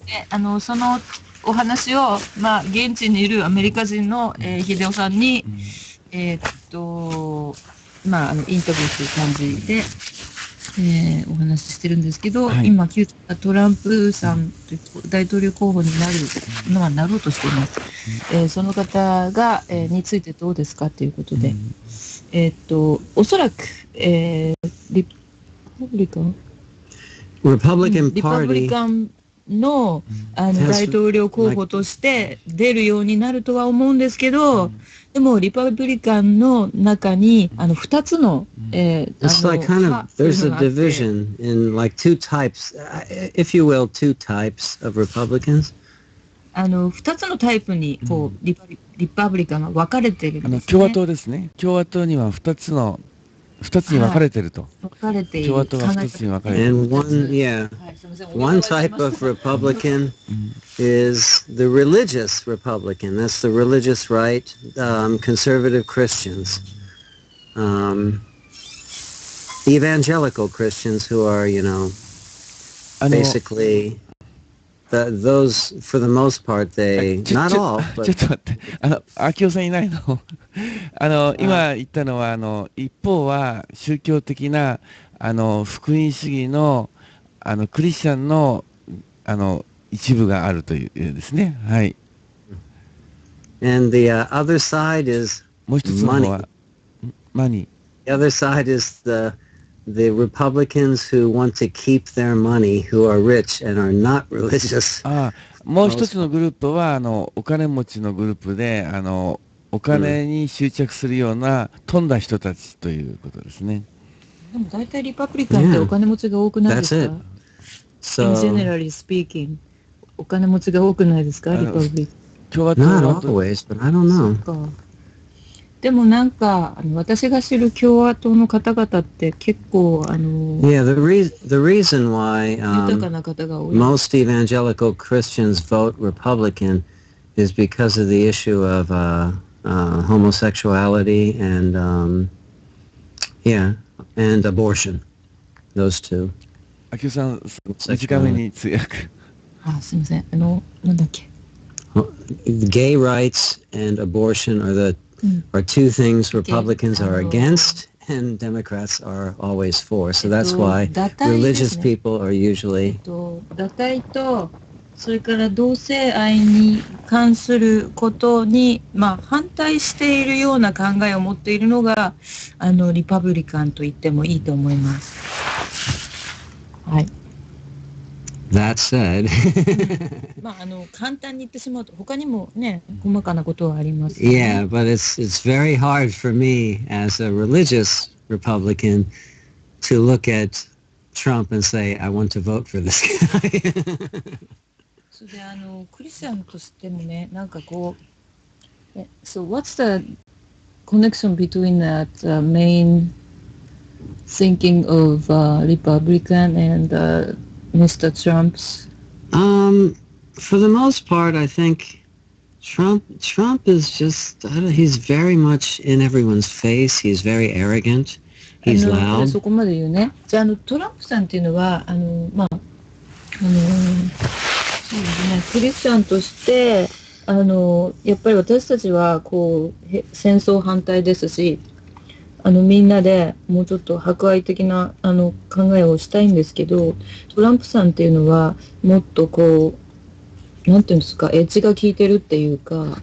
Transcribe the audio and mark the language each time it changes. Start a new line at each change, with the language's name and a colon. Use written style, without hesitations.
Japanese: あのそのお話を、まあ、現地にいるアメリカ人の、秀夫さんに、うん、まあ、あのインタビューという感じで、お話ししてるんですけど、はい、今旧トランプさん、うん、大統領候補になるのはなろうとしています、うん、その方が、についてどうですかということで、うん、おそらく、リパブリカン
English: Republican Party
Japanese: リパブリカンの、 あの大統領候補として出るようになるとは思うんですけど、うん、でもリパブリカンの中にあの2つの、
English: It's like kind of, there's a division in like two types, if you will, two types of Republicans.
Japanese: あの2つのタイプにこう、うん、リパブリカンが分かれてるんですね。あの共和党ですね。共和党には2つの、2つに分かれてると。はい、分かれている。共和党は2つに分かれている。
English: And one, yeah. One type of Republican is the religious Republican. That's the religious right, conservative Christians. Evangelical Christians who are, you know, basically, the, those, for the most part, they, not all. But...
Japanese: ちょっと待って、あの、アキオさんいないの？あの、今言ったのは、あの、一方は宗教的な、あの、福音主義の、あのクリスチャン の, あの一部があるというですね。はい。
English: And the other side is money. Money. The other side is the Republicans who want to keep their money, who are rich and are not religious.
Japanese: ああ、もう一つのグループはあのお金持ちのグループで、あのお金に執着するような富んだ人たちということですね。でも大体リパブリカンってお金持ちが多くないですか？
English: Yeah, So, in generally speaking,
Japanese: お金持ちが多くないですか、リパブリカン。共和党
English: は。Not always, but I don't know.
Japanese: そうか。でもなんか、あの、私が知る共和党の方々って結構、あの、
English: Yeah, the reason why,
Japanese: 豊かな方が多い。
English: Most evangelical Christians vote Republican is because of the issue of, homosexuality and, yeah, and abortion. Those two.
Japanese: 秋代さん、短めに通訳。あ、すみません。あの、なんだっけ。
English: Gay rights and abortion are the、うん、are two things Republicans are against and Democrats are always for. So that's why religious、ね、 people are usually
Japanese: 堕胎とそれから同性愛に関することにまあ反対しているような考えを持っているのがあのリパブリカンと言ってもいいと思います。はい、
English: That said,
Japanese: まああの簡単に言ってしまうと他にもね細かなことはあります、ね。
English: Yeah, but it's very hard for me as a religious Republican to look at Trump and say I want to vote for this guy.
Japanese: であのクリスチャンとしてもねなんかこう、
English: So what's the connection between that main? Thinking of Republican and Mr. Trump's? For the most part, I think Trump is just, I don't, he's very much in everyone's face. He's very arrogant. He's loud.
Japanese: そこまで言うね。じゃあ、トランプさんっていうのは、あの、まあ、あの、そうですね、クリスチャンとして、あの、やっぱり私たちは、こう、戦争反対ですし、あのみんなでもうちょっと博愛的なあの考えをしたいんですけど、トランプさんっていうのはもっとこうなんていうんですか、エッジが効いてるっていうか、